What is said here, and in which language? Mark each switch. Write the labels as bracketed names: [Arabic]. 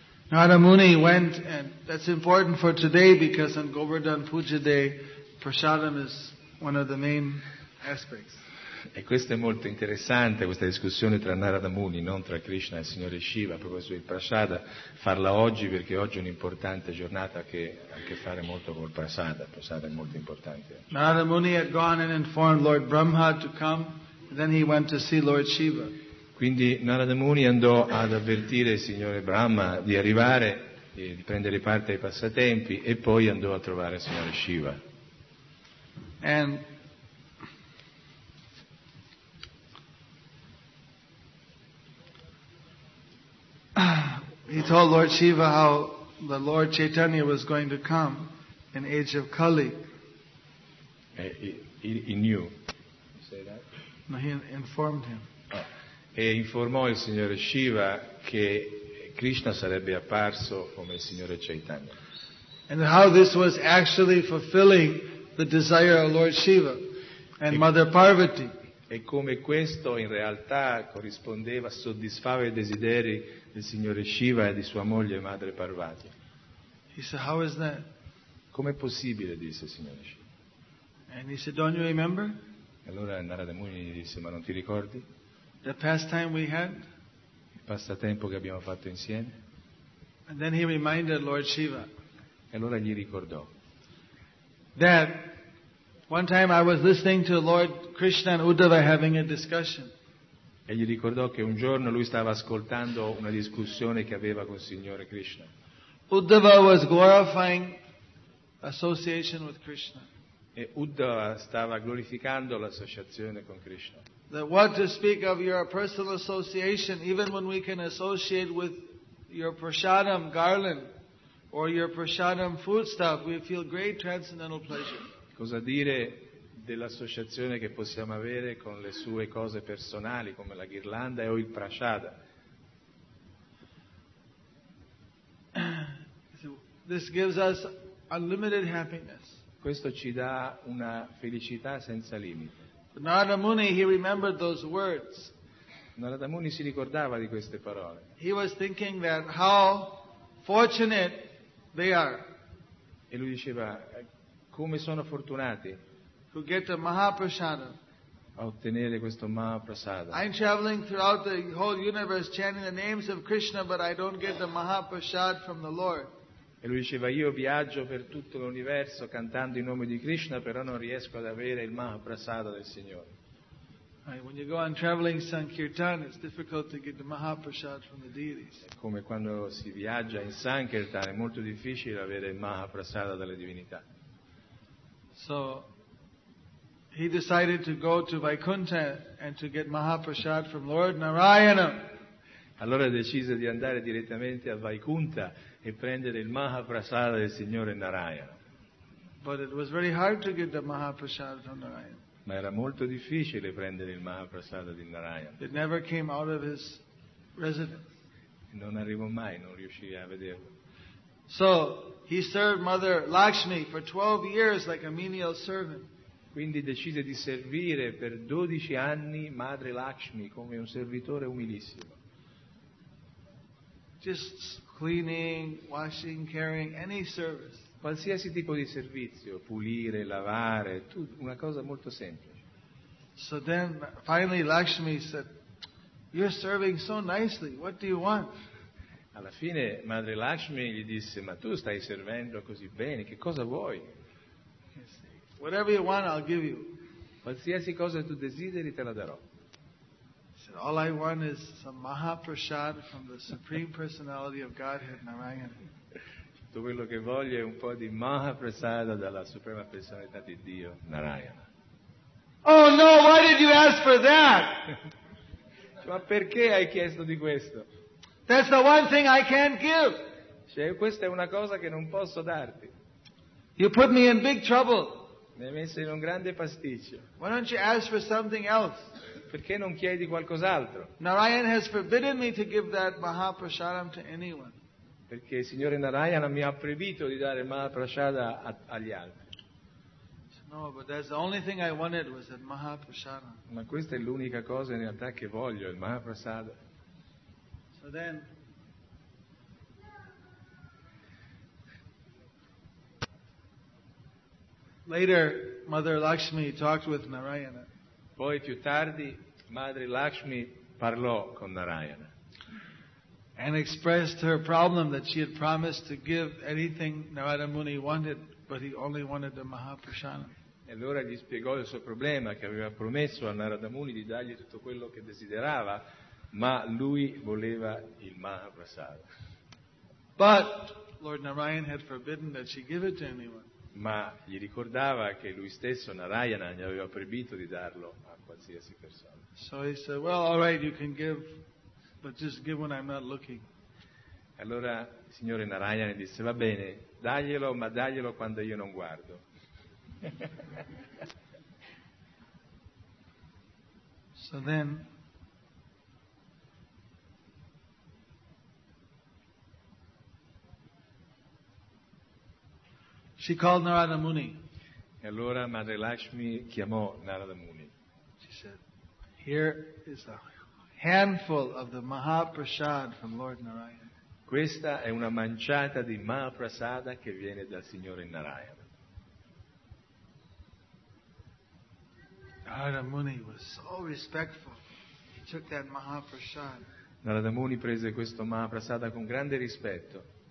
[English] Narada Muni went, and that's important for today because on Govardhan Puja Day, prasadam is one of the main aspects. [Italian] E questo è molto interessante, questa discussione tra Narada Muni, non tra Krishna e il Signore Shiva, a proposito del prasada, farla oggi perché oggi è un'importante giornata che ha a che fare molto col prasada. Il prasada è molto importante. [English] Narada Muni had gone and informed Lord Brahma to come, and then he went to see Lord Shiva. [Italian] Quindi Narada Muni andò ad avvertire il Signore Brahma di arrivare, di prendere parte ai passatempi, e poi andò a trovare il Signore Shiva. [English] And he told Lord Shiva how the Lord Chaitanya was going to come in age of Kali. He knew. You say that? No, he informed him. [Italian] E informò il signore Shiva che Krishna sarebbe apparso come il signore Chaitanya. [English] And how this was actually fulfilling the desire of Lord Shiva and Mother Parvati. [Italian] E come questo in realtà corrispondeva, soddisfava i desideri del signore Shiva e di sua moglie madre Parvati. [English] He said, how is that? [Italian] Com'è possibile, disse il signore Shiva. [English] And he said, don't you remember? [Italian] E allora Narada Muni gli disse, ma non ti ricordi? [English] The pastime we had? [Italian] Il passatempo che abbiamo fatto insieme. [English] And then he reminded Lord Shiva. [Italian] E allora gli ricordò. [English] That one time I was listening to Lord Krishna and Uddhava having a discussion. [Italian] e gli ricordò che un giorno lui stava ascoltando una discussione che aveva con il Signore Krishna. [English] Uddhava was glorifying association with Krishna. [Italian] E Uddhava stava glorificando l'associazione con Krishna. [English] That what to speak of your personal association, even when we can associate with your prasadam garland or your prasadam foodstuff, we feel great transcendental pleasure. [Italian] Cosa dire dell'associazione che possiamo avere con le sue cose personali come la ghirlanda o il prasada? [English] This gives us unlimited happiness. [Italian] Questo ci dà una felicità senza limite. [English] Narada Muni, he remembered those words. [Italian] Narada Muni si ricordava di queste parole. [English] He was thinking that how fortunate they are. [Italian] E lui diceva come sono fortunati. [English] To get the Mahaprasada. [Italian] A ottenere questo Mahaprasada. [English] I'm traveling throughout the whole universe chanting the names of Krishna, but I don't get the Mahaprasad from the Lord. [Italian] E lui diceva, io viaggio per tutto l'universo cantando il nome di Krishna, però non riesco ad avere il Mahaprasada del Signore. [English] When you go on traveling Sankirtan, it's difficult to get the Mahaprasada from the deities. [Italian] Come quando si viaggia in Sankirtan, è molto difficile avere il Mahaprasada dalle divinità. [English] So, he decided to go to Vaikuntha and to get Mahaprasada from Lord Narayana. [Italian] Allora decise di andare direttamente a Vaikuntha e prendere il Mahaprasada del Signore Narayana. [English] But it was very hard to get the Mahaprasada from Narayana. [Italian] Ma era molto difficile prendere il Mahaprasada di Narayana. [English] It never came out of his residence. [Italian] Non arrivò mai, non riuscì a vederlo. [English] So he served Mother Lakshmi for 12 years like a menial servant. [Italian] Quindi decise di servire per 12 anni Madre Lakshmi come un servitore umilissimo. [English] Just cleaning, washing, carrying, any service. [Italian] Qualsiasi tipo di servizio, pulire, lavare, una cosa molto semplice. [English] So then, finally Lakshmi said, you're serving so nicely, what do you want? [Italian] Alla fine Madre Lakshmi gli disse, ma tu stai servendo così bene, che cosa vuoi? [English] Whatever you want, I'll give you. [Italian] Qualsiasi cosa tu desideri, te la darò. [English] All I want is some Mahaprasad from the Supreme Personality of Godhead, Narayana. [Italian] Tutto quello che voglio è un po' di Mahaprasada dalla Suprema Personalità di Dio, Narayana. [English] Oh no, why did you ask for that? [Italian] Ma perché hai chiesto di questo? [English] That's the one thing I can't give. [Italian] Cioè, questa è una cosa che non posso darti. [English] You put me in big trouble. [Italian] Mi hai messo in un grande pasticcio. [English] Why don't you ask for something else? [Italian] Perché non chiedi qualcos'altro? [English] Narayana has forbidden me to give that Mahaprasadam to anyone. [Italian] Perché il Signore Narayana mi ha proibito di dare Mahaprasada agli altri. [English] No, but that's the only thing I wanted was that Mahaprasadam. [Italian] Ma questa è l'unica cosa in realtà che voglio, il Mahaprasada. [English] So then, later, Mother Lakshmi talked with Narayana. [Italian] Poi più tardi Madre Lakshmi parlò con Narayana. [English] And expressed her problem that she had promised to give anything Narada Muni wanted, but he only wanted the Mahaprasada. [Italian] E allora gli spiegò il suo problema, che aveva promesso a Narada Muni di dargli tutto quello che desiderava, ma lui voleva il Mahaprasada. [English] But Lord Narayana had forbidden that she give it to anyone. [Italian] Ma gli ricordava che lui stesso, Narayana, gli aveva proibito di darlo a qualsiasi persona. [English] So he said, well, all right, you can give, but just give when I'm not looking. [Italian] Allora il signore Narayana disse, va bene, daglielo, ma daglielo quando io non guardo. [English] So then, she called Narada Muni. [Italian] E allora Madre Lakshmi chiamò Narada Muni. [English] She said, here is a handful of the Mahaprasada from Lord Narayana. [Italian] Questa è una manciata di Mahaprasada che viene dal Signore Narayana. [English] Narada Muni was so respectful. He took that Mahaprasada. [Italian] Narada Muni prese questo Mahaprasada con grande rispetto.